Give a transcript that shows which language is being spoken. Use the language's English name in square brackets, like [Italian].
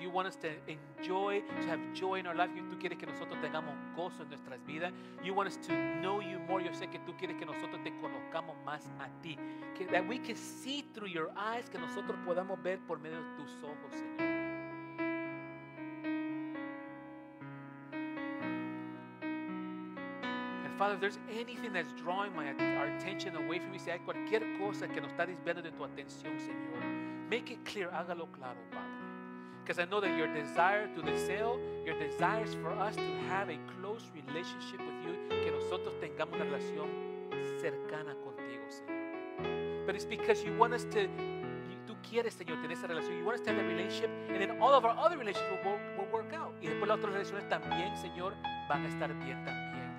[English] You want us to enjoy, to have joy in our life. [Spanish] Tú quieres que nosotros tengamos gozo en nuestras vidas. [English] You want us to know you more. [Spanish] Yo sé que tú quieres que nosotros te conozcamos más a ti. [English] That we can see through your eyes, [Spanish] que nosotros podamos ver por medio de tus ojos, Señor. [English] Father, if there's anything that's drawing our attention away from you, [Spanish] si hay cualquier cosa que nos está desviando de tu atención, Señor, [English] make it clear, [Spanish] hágalo claro, Padre. [English] Because I know that your desire is for us to have a close relationship with you, [Spanish] que nosotros tengamos una relación cercana contigo, Señor. [English] But it's because you want us to, [Spanish] tú quieres, Señor, tener esa relación. [English] You want us to have that relationship, and then all of our other relationships will work out. [Spanish] Y después las otras relaciones también, Señor, van a estar bien también.